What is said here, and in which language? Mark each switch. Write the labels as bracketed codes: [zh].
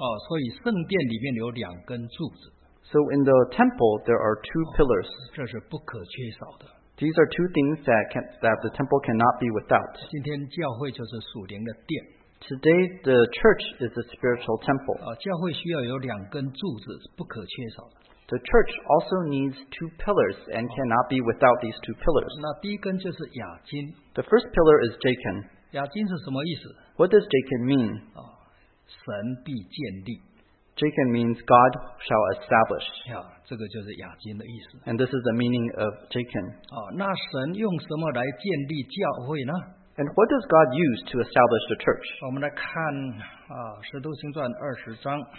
[zh] 所以圣殿里面有两根柱子。 [en] So in the temple, there are two pillars. [zh] 这是不可缺少的。 [en] These are two things that the temple cannot be without. [zh] 今天教会就是属灵的殿。 [en] Today, the church is a spiritual temple. [zh] 教会需要有两根柱子，不可缺少的。 [en] The church also needs two pillars and cannot be without these two pillars. [zh] 那第一根就是雅金。 [en] The first pillar is Jachin. [zh] 雅金是什么意思？ [en] What does Jachin mean? [zh] 神必建立。 [en] Jachin means God shall establish. [zh] 这个就是雅金的意思。 [en] And this is the meaning of Jachin. [zh] 那神用什么来建立教会呢？ [en] And what does God use to establish the church? [zh] 我们来看使徒行传二十章。